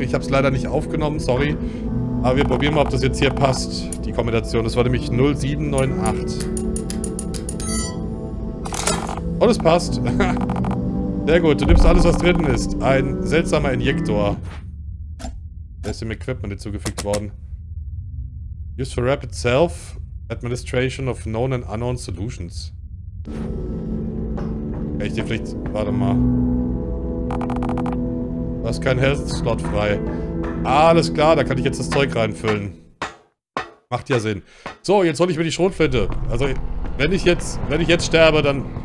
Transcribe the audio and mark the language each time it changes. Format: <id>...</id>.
<de>Ich habe es leider nicht aufgenommen, sorry. Aber wir probieren mal, ob das jetzt hier passt, die Kombination. Das war nämlich 0798. Und es passt. Sehr gut, du nimmst alles, was drin ist. Ein seltsamer Injektor. Der ist dem Equipment hinzugefügt worden.</de> <en>Use for Rapid Self Administration of Known and Unknown Solutions.</en> <de>Kann ich dir vielleicht... Warte mal. Du hast keinen Health-Slot frei. Alles klar, da kann ich jetzt das Zeug reinfüllen. Macht ja Sinn. So, jetzt hol ich mir die Schrotflinte. Also, wenn ich jetzt sterbe, dann...</de>